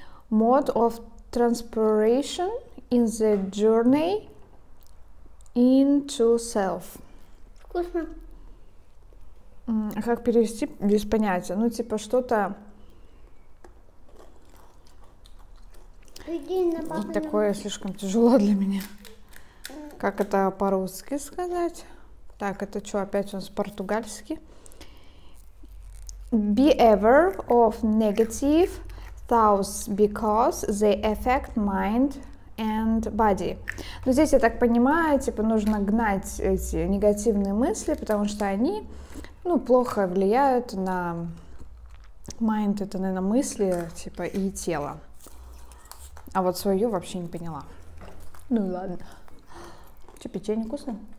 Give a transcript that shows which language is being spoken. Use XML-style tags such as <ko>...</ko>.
<en>Mode of transpiration in the journey into self.</en> <ru>Вкусно. А как перевести без понятия? Ну, типа что-то... Иди на папу. Вот такое слишком тяжело для меня. Как это по-русски сказать? Так, это что, опять у нас португальски?</ru> <en>Be aware of negative thoughts because they affect mind and body.</en> <ru>Ну, здесь я так понимаю, типа, нужно гнать эти негативные мысли, потому что они, ну, плохо влияют на mind, это, наверное, мысли, типа, и тело. А вот свою вообще не поняла. Ну, ладно. Че, печенье вкусное?</ru>